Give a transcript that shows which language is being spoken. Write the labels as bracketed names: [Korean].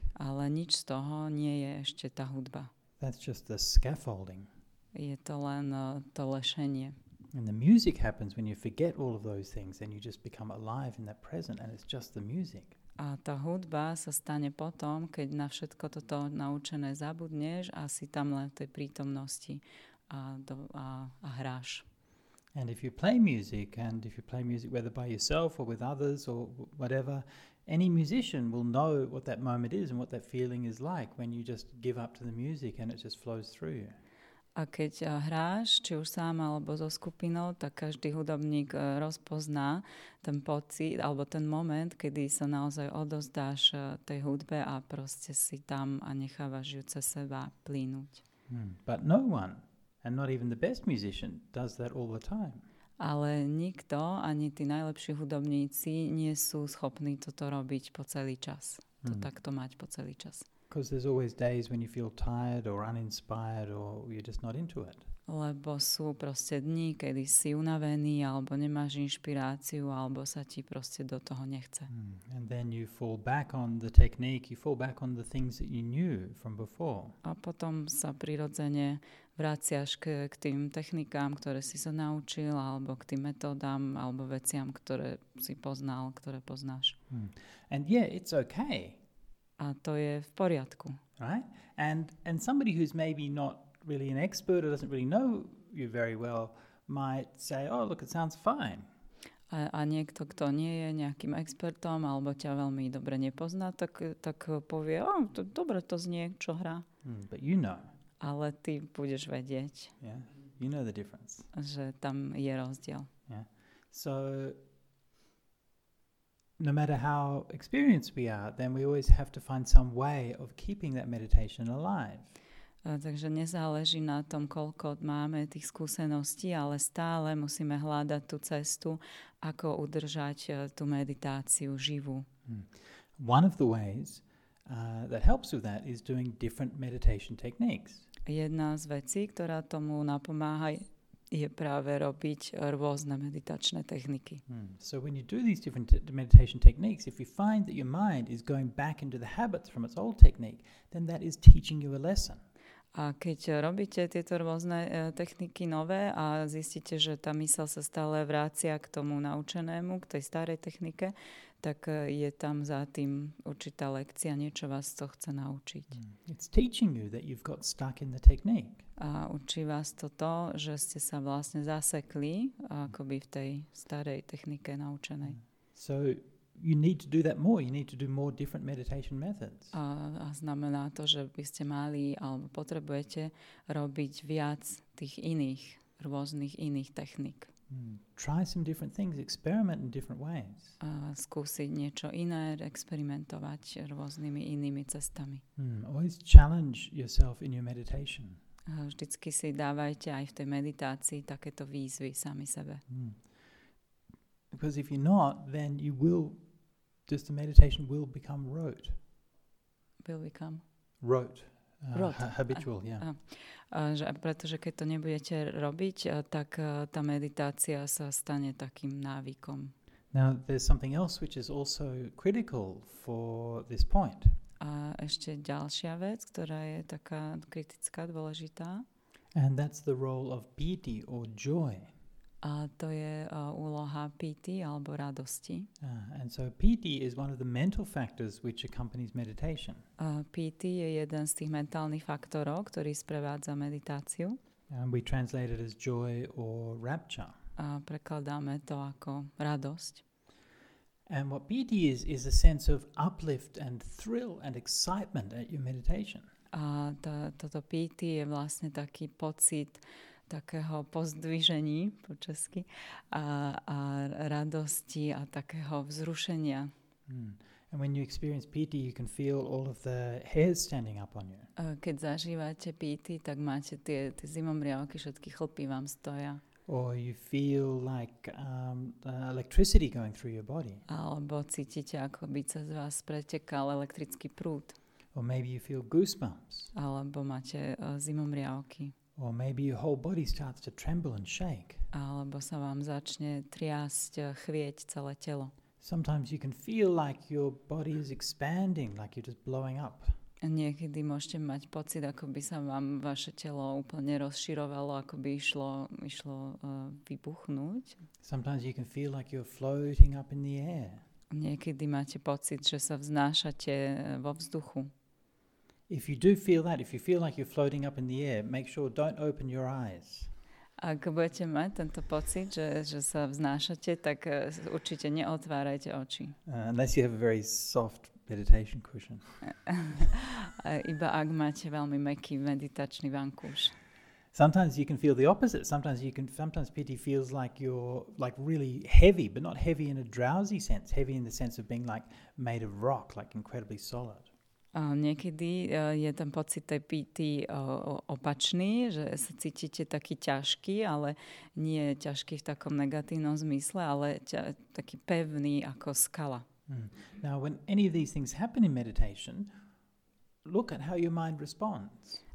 [Slovak] Ale nič z toho nie je ešte tá hudba. [English] That's just the scaffolding. [Slovak] Je to len to lešenie. [English] And the music happens when you forget all of those things and you just become alive in that present and it's just the music. [Slovak] A tá hudba sa stane potom, keď na všetko toto naučené zabudneš a si tam len v tej prítomnosti a hráš. [English] And if you play music and if you play music whether by yourself or with others or whatever, any musician will know what that moment is and what that feeling is like when you just give up to the music and it just flows through you. [Slovak] A keď hráš, či už sám alebo so skupinou, tak každý hudobník rozpozná ten pocit alebo ten moment, kedy sa naozaj odozdáš tej hudbe a proste si tam a nechávaš ju cez seba plínuť. [English] But no one, and not even the best musician, does that all the time. [Slovak] Ale nikto, ani tí najlepší hudobníci, nie sú schopní toto robiť po celý čas. To takto mať po celý čas. [English] Because there's always days when you feel tired or uninspired or you're just not into it. [Slovak] Lebo sú proste dni, kedy si unavený alebo nemáš inšpiráciu alebo sa ti proste do toho nechce. [English] And then you fall back on the technique, you fall back on the things that you knew from before. [Slovak] A potom sa prirodzene vraciaš k tým technikám, ktoré si sa naučil alebo k tým metódám alebo veciam, ktoré si poznal, ktoré poznáš. [English] And yeah, it's okay. [Slovak] A to je v poriadku. [English] Right? And somebody who's maybe not really an expert or doesn't really know you very well might say, oh, look, it sounds fine. [Slovak] A niekto, kto nie je nejakým expertom alebo ťa veľmi dobre nepozná, tak povie, oh, dobre to znie, čo hrá. [English] But you know. [Slovak] ale ty budeš vedieť, yeah. [English] You know the difference. [Slovak] Že tam je rozdiel. Yeah. [English] So no matter how experienced we are, then we always have to find some way of keeping that meditation alive. [Slovak] Takže nezáleží na tom, koľko máme tých skúseností, ale stále musíme hľadať tú cestu, ako udržať tú meditáciu živú. Hmm. [English] One of the ways that helps with that is doing different meditation techniques. [Slovak] Jedna z vecí, ktorá tomu napomáha, je práve robiť rôzne meditačné techniky. Hmm. [English] So when you do these different meditation techniques, if you find that your mind is going back into the habits from its old technique, then that is teaching you a lesson. [Slovak] A keď robíte tieto rôzne techniky nové a zistíte, že tá myseľ sa stále vracia k tomu naučenému, k tej starej technike, tak je tam za tým určitá lekcia, niečo vás to chce naučiť. [English] It's teaching you that you've got stuck in the technique. [Slovak] A učí vás to, že ste sa vlastne zasekli akoby v tej starej technike naučenej. [English] So you need to do that more. You need to do more different meditation methods. [Slovak] A znamená to, že by ste mali alebo potrebujete robiť viac tých iných, rôznych iných techník. Mm. [English] Try some different things. Experiment in different ways. [Slovak] A skúsiť niečo iné, experimentovať rôznymi inými cestami. Mm. [English] Always challenge yourself in your meditation. [Slovak] A vždycky si dávajte aj v tej meditácii takéto výzvy sami sebe. Mm. [English] Because if you're not, then you will, just the meditation will become rote. Will become? Rote. Rote. Habitual, yeah. [Slovak] Pretože keď to nebudete robiť, tak tá meditácia sa stane takým návykom. [English] Now, there's something else which is also critical for this point. [Slovak] A ešte ďalšia vec, ktorá je taká kritická, dôležitá. [English] And that's the role of piti or joy. [Slovak] A to je úloha piti alebo radosti. [English] And so piti is one of the mental factors which accompanies meditation. [Slovak] Piti je jeden z tých mentálnych faktorov, ktorý sprevádza meditáciu. [English] And we translate it as joy or rapture. [Slovak] A prekladáme to ako radosť. [English] And what piti is a sense of uplift and thrill and excitement at your meditation. [Slovak] A toto piti je vlastne taký pocit takého pozdvižení po česky a radosti a takého vzrušenia. Mm. [English] And when you experience piti, you can feel all of the hairs standing up on you. [Slovak] Keď zažívate piti, tak máte tie zimomriavky, všetky chlpy vám stoja. [English] Or you feel like electricity going through your body. [Slovak] Alebo cítite, ako by cez vás pretekal elektrický prúd. [English] Or maybe you feel goosebumps. [Slovak] Alebo máte zimomriavky. [English] Or maybe your whole body starts to tremble and shake. [Slovak] Alebo sa vám začne triasť, chvieť celé telo. [English] Sometimes you can feel like your body is expanding, like you're just blowing up. [Slovak] Niekedy môžete mať pocit, ako by sa vám vaše telo úplne rozširovalo, ako by išlo vybuchnúť. [English] Sometimes you can feel like you're floating up in the air. [Slovak] Niekedy máte pocit, že sa vznášate vo vzduchu. [English] If you do feel that, if you feel like you're floating up in the air, make sure don't open your eyes. [Slovak] Ak budete mať tento pocit, že sa vznášate, tak určite neotvárajte oči. [English] Unless you have a very soft meditation cushion. [Slovak] Iba ak máte veľmi mäkký meditačný vankúš. [English] Sometimes you can feel the opposite. Sometimes piti feels like you're like really heavy, but not heavy in a drowsy sense, heavy in the sense of being like made of rock, like incredibly solid. [Slovak] Niekedy je ten pocit tej piti opačný, že sa cítite taký ťažký, ale nie ťažký v takom negatívnom zmysle, ale taký pevný ako skala. Mm. [English] Now when any of these things happen in meditation, look at how your mind responds.